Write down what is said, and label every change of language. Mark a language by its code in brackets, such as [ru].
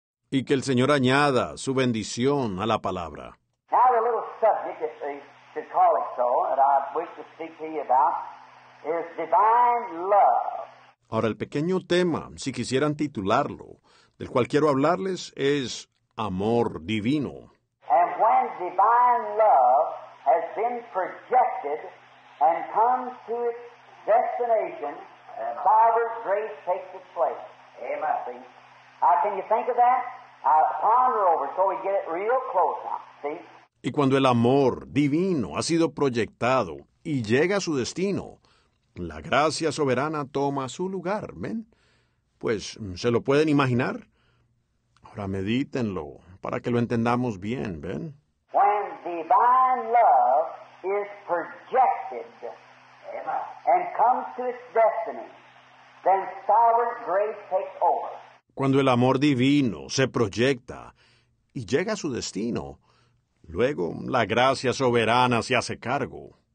[es] Y que el Señor añada su bendición a la palabra. [en] Now the little subject, if they should call it so, that I wish to speak to you about, is divine love. [es] Ahora el pequeño tema, si quisieran titularlo, del cual quiero hablarles, es amor divino. [en] And when divine love has been projected and comes to its destination, sovereign grace takes its place. Amen. Can you think of that? Ponder over so we get it real close now. See? [es] Y cuando el amor divino ha sido proyectado y llega a su destino, la gracia soberana toma su lugar, ¿ven? Pues, ¿se lo pueden imaginar? Ahora medítenlo para que lo entendamos bien, ¿ven? [en] When divine love is projected and comes to its destiny, then sovereign grace takes over. [es] Cuando el amor divino se proyecta y llega a su destino, luego la gracia soberana se hace cargo.